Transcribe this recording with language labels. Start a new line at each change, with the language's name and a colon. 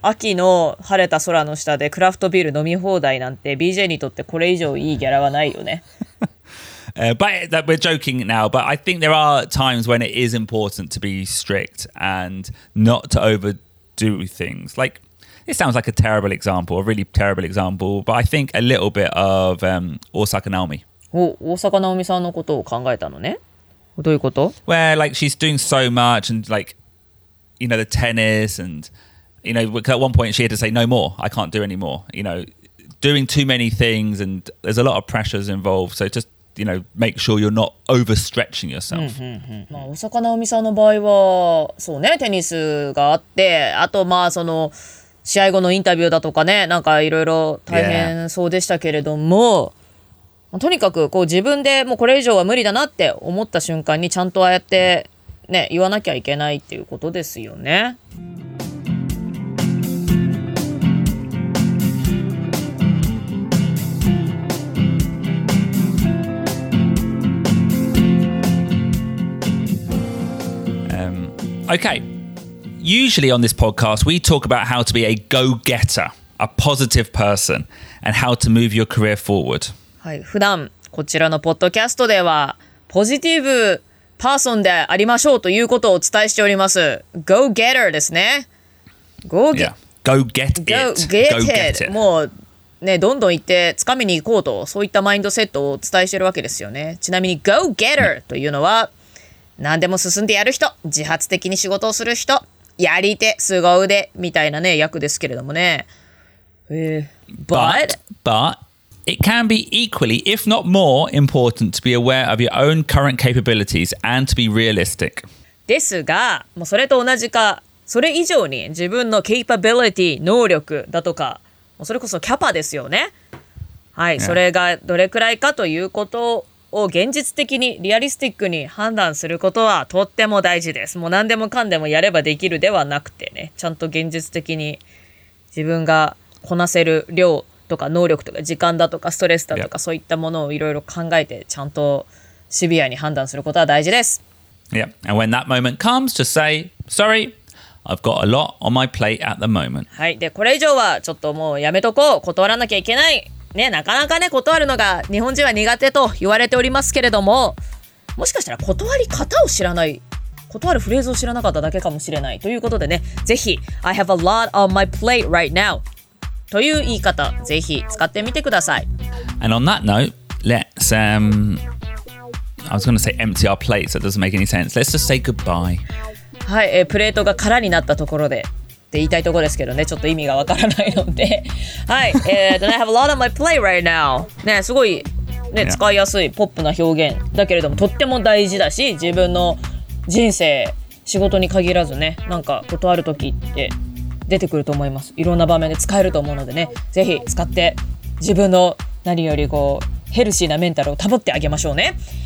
Japanese: 秋の晴れた空の下でクラフトビール飲み放題なんて BJ にとってこれ以上いいギャラはないよね。
English: But we're joking now, but I think there are times when it is important to be strict and not to overdo things. Like, it sounds like a terrible example, a really terrible example, but I think a little bit of Osaka Naomi.
Japanese: Oh, Osaka Naomi さんのことを考えたのね。どういうこと?
English: Where, like, she's doing so much and, like, you know, the tennis and, you know, at one point she had to say, no more, I can't do anymore. You know, doing too many things and there's a lot of pressures involved. So just, you know, make sure you're not overstretching yourself.
Japanese: まあ、お魚おみさんの場合は、そうね、テニスがあって、あとまあその試合後のインタビューだとかね、なんかいろいろ大変そうでしたけれども、まあ、とにかくこう自分でもうこれ以上は無理だなって思った瞬間にちゃんとああやってね、言わなきゃいけないっていうことですよね。
English: Okay, usually on this podcast, we talk about how to be a go-getter, a positive person, and how to move your career forward.
Japanese: はい、普段こちらのポッドキャストでは、ポジティブパーソンでありましょうということをお伝えしております。 Go-getter ですね。
English: Go-get it.
Japanese: もうね、どんどん行って掴みに行こうと、そういったマインドセットをお伝えしているわけですよね。ちなみに Go-getter というのは、何でも進んでやる人、自発的に仕事をする人、やり手、凄腕みたいなね、訳ですけれどもね。
English: But it can be equally, if not more, important to be aware of your own current capabilities and to be realistic.
Japanese: ですが、もうそれと同じか、それ以上に自分の capability、能力だとか、もうそれこそキャパですよね。はい、yeah. それがどれくらいかということをを現実的にリアリスティックに判断することはとっても大事です。もう何でもかんでもやればできるではなくてね、ちゃんと現実的に自分がこなせる量とか能力とか時間だとかストレスだとかそういったものをいろいろ考えてちゃんとシビアに判断することは大事です。
English: Yeah, and when that moment comes, just say, sorry, I've got a lot on my plate at the moment.
Japanese: はい、でこれ以上はちょっともうやめとこう、断らなきゃいけない。ね、なかなかね断るのが日本人は苦手と言われておりますけれども、もしかしたら断り方を知らない、断るフレーズを知らなかっただけかもしれないということでね、ぜひ
English: I have a lot on my plate right now
Japanese: という言い方ぜひ使ってみてください。
English: And on that note, let's I was going to say empty our plates, that doesn't make any sense. Let's just say goodbye.
Japanese: はい、プレートが空になったところでって言いたいところですけどね、ちょっと意味がわからないのではい、
English: I have a lot on my plate right now
Japanese: ね、すごいね、使いやすいポップな表現だけれども、とっても大事だし、自分の人生、仕事に限らずね、なんか断るときって出てくると思います。いろんな場面で使えると思うのでね、ぜひ使って自分の何よりこうヘルシーなメンタルを保ってあげましょうね。